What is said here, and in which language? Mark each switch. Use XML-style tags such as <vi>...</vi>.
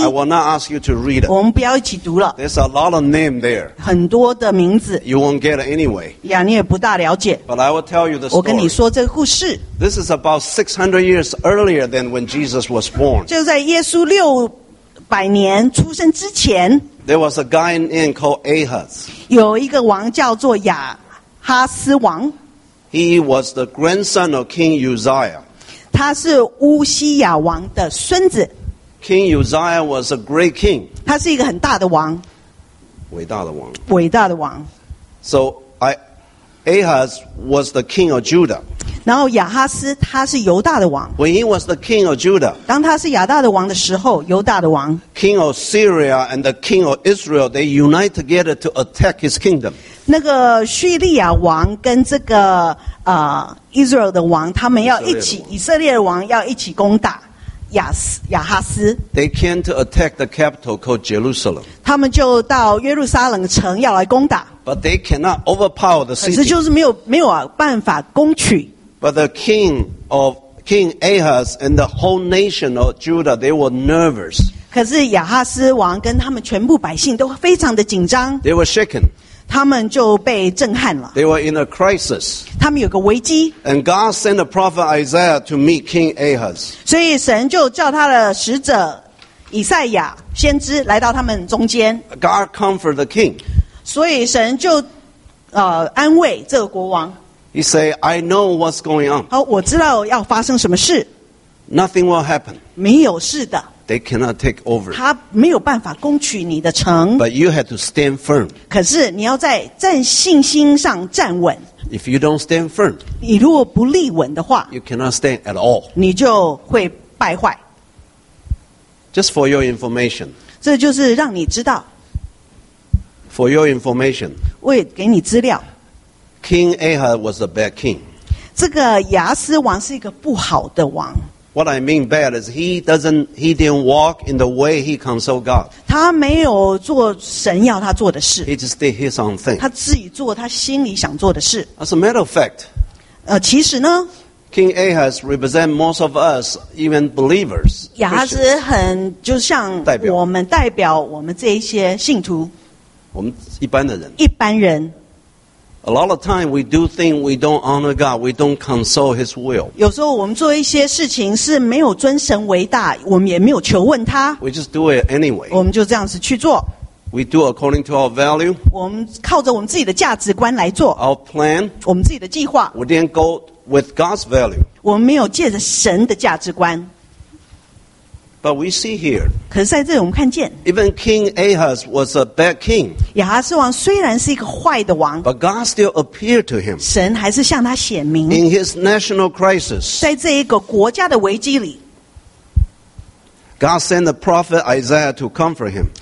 <en>I will not ask you to read it</en> <zh>我们不要一起读了</zh> <en>There's a lot of name there</en> <zh>很多的名字</zh> <en>You won't get it anyway</en> <zh>呀你也不大了解</zh> <en>But I will tell you the story</en> <zh>我跟你说这个故事</zh> <en>This is about 600 years earlier than when Jesus was born</en> <zh>就在耶稣六百年出生之前</zh> <en>There was a guy named called Ahaz</en> <zh>有一个王叫做亚哈斯王</zh> <en>He was the grandson of King Uzziah</en> <zh>他是乌西亚王的孙子</zh> <en>King Uzziah was a great king</en> <zh>他是一个很大的王伟大的王伟大的王</zh> <en>So Ahaz was the king of Judah</en> <zh>然后亚哈斯他是犹大的王</zh> <en>When he was the king of Judah</en> <zh>当他是亚大的王的时候犹大的王</zh> <en>King of Syria and the king of Israel they unite together to attack his kingdom</en> <zh>那个叙利亚王跟这个Israel 的王他们要一起以色列的王要一起攻打亚哈斯</zh> <en>They came to attack the capital called Jerusalem</en> <zh>他们就到耶路撒冷城要来攻打</zh> <en>But they cannot overpower the city</en> <zh>可是就是没有办法攻取</zh> <en>But the king Ahaz and the whole nation of Judah they were nervous</en> <zh>可是亚哈斯王跟他们全部百姓都非常的紧张</zh> <en>They were shaken</en> <zh>他们就被震撼了</zh> <en>They were in a crisis</en> <zh>他们有个危机</zh> <en>And God sent the prophet Isaiah to meet King Ahaz</en> <zh>所以神就叫他的使者以赛亚先知来到他们中间</zh> <en>God comforted the king</en> <zh>所以神就安慰这个国王</zh> <en>He said I know what's going on</en> <zh>好我知道要发生什么事</zh> <en>Nothing will happen</en> <zh>没有事的</zh> <en>They cannot take over.</en> <zh>他没有办法攻取你的城。</zh> <en>But you have to stand firm.</en> <zh>可是你要在站信心上站稳。</zh> <en>If you don't stand firm,</en> <zh>你如果不立稳的话</zh> <en>you cannot stand at all.</en> <zh>你就会败坏。</zh> <en>Just for your information.</en> <zh>这就是让你知道。</zh> <en>For your information.</en> <zh>为给你资料。</zh> <en>King Ahaz was a bad king.</en> <zh>这个亚斯王是一个不好的王。</zh> <en>What I mean bad is he didn't walk in the way he consulted God.</en> <zh>他没有做神要他做的事。</zh> <en>He just did his own thing.</en> <zh>他自己做他心里想做的事。</zh> <en>As a matter of fact,</en> <zh>其实呢</zh> <en>King Ahaz represents most of us, even believers.</en> <zh>亚哈斯很就像我们代表我们这一些信徒。我们一般的人。一般人。</zh> <en>A lot of time we do things we don't honor God, we don't consult His will.</en> <zh>有时候我们做一些事情是没有尊神为大，我们也没有求问他。</zh> <en>We just do it anyway.</en> <zh>我们就这样子去做。</zh> <en>We do according to our value.</en> <zh>我们靠着我们自己的价值观来做。</zh> <en>Our plan.</en> <zh>我们自己的计划。</zh> <en>We didn't go with God's value.</en> <zh>我们没有借着神的价值观。</zh> <en>But we see here.</en> <zh>可是在这里我们看见。</zh> <en>Even King Ahaz was a bad king.</en> <zh>亚哈斯王虽然是一个坏的王。</zh> <en>But God still appeared to him.</en> <zh>神还是向他显明。</zh> <en>In his national crisis.</en> <zh>在这一个国家的危机里。</zh> <en>God sent the prophet Isaiah to comfort him.</en>